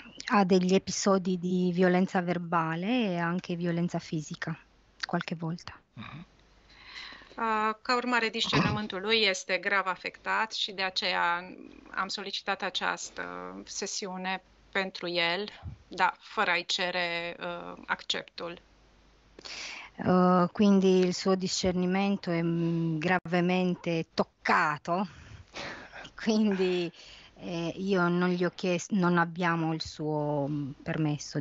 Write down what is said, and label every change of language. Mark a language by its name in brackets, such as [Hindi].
[Italian] Ha degli episodi di violenza verbale e anche violenza fisica, qualche volta. [Romanian] Ca urmare, discernământul lui este grav afectat și de aceea am solicitat această sesiune pentru el, dar fără a-i cere acceptul. [Italian] Quindi il suo discernimento è gravemente toccato, quindi io non gli ho chiesto, non abbiamo il suo permesso,